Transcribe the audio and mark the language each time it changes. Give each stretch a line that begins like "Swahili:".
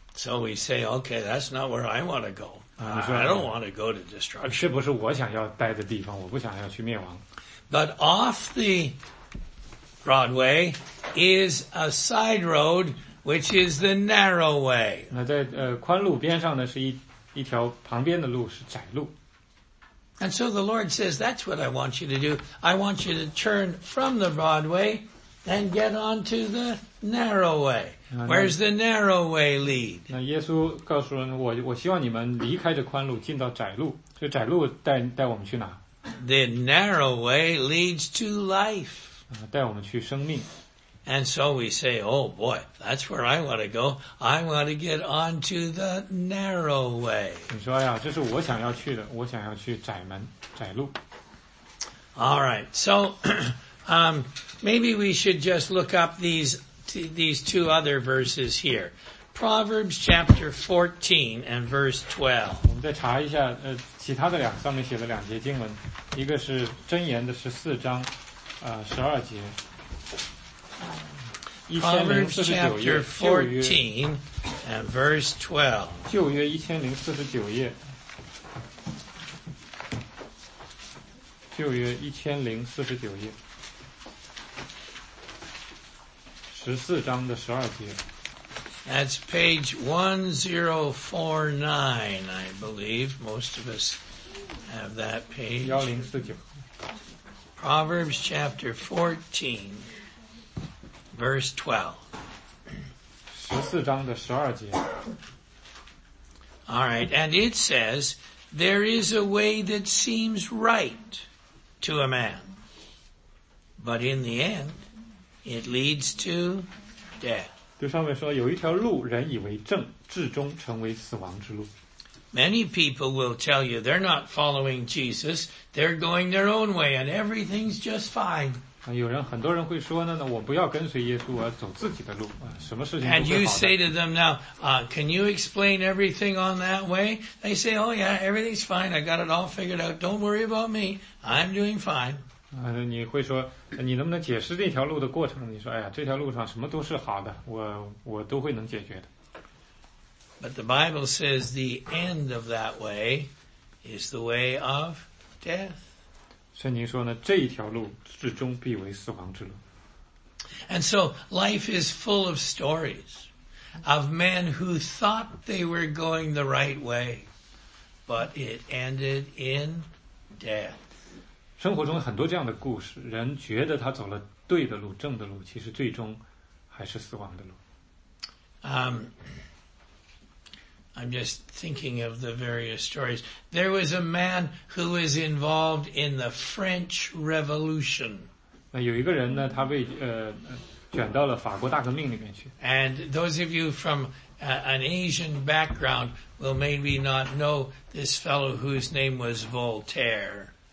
English: So we say, okay, that's not where I want to go. I don't want to go to destruction.
Chinese: 是不是我想要待的地方？我不想要去灭亡。
English: But off the Broadway is a side road, which is the narrow way.
Chinese: 那在宽路边上呢，是一条旁边的路，是窄路。
English: And so the Lord says, that's what I want you to do. I want you to turn from the Broadway and get onto the narrow way. Where's the narrow way lead?
Chinese: 那耶稣告诉人，我希望你们离开这宽路，进到窄路。这窄路带我们去哪？
English: The narrow way leads to life.
Chinese: 带我们去生命。
English: And so we say, oh boy, that's where I want to go. I want to get onto the narrow way.
Chinese: 你说呀，这是我想要去的，我想要去窄门窄路。
English: All right, so maybe we should just look up these two other verses here. Proverbs chapter 14 and verse 12.
Chinese: 我们再查一下其他的两上面写的两节经文，一个是箴言的14章十二节。
English: Proverbs chapter 14 and verse 12.
Chinese: 旧约1049页。旧约1049页，14章的十二节。
English: That's page 1049, I believe. Most of us have that page. 1049. Proverbs chapter 14, verse 12.
Chinese: 14章的十二节。
English: All right, and it says, "There is a way that seems right." To a man. But in the end, it leads to death.
Chinese: 就上面说，有一条路，人以为正，至终成为死亡之路。
English: Many people will tell you they're not following Jesus, they're going their own way and everything's just fine.
Chinese: 有人，很多人会说呢，我不要跟随耶稣，我要走自己的路，什么事情都会好的。
English: And you say to them now, can you explain everything on that way? They say, oh yeah, everything's fine, I got it all figured out, don't worry about me, I'm doing fine.
Chinese: 你会说，你能不能解释这条路的过程？你说，哎呀，这条路上什么都是好的，我都会能解决的。
English: But the Bible says the end of that way is the way of death.
Chinese: 圣经说呢，这一条路至终必为死亡之路。
English: And so life is full of stories of men who thought they were going the right way, but it ended in death.
Chinese: 生活中很多这样的故事，人觉得他走了对的路、正的路，其实最终还是死亡的路。
English: I'm just thinking of the various stories. There was a man who was involved in the French Revolution.
Chinese: 有一个人呢，他被卷到了法国大革命里面去。
English: And those of you from an Asian background will maybe not know this fellow whose name was Voltaire.